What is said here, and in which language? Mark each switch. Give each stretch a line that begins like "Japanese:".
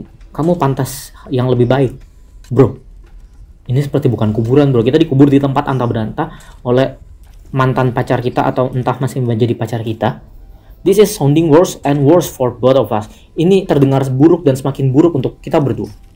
Indonesian: Kamu pantas yang lebih baik, bro. Ini seperti bukan kuburan, bro. Kita dikubur di tempat antah berantah oleh mantan pacar kita atau entah masih menjadi pacar kita.
English: This is sounding worse and worse for both of us.
Indonesian: Ini terdengar buruk dan semakin buruk untuk kita berdua.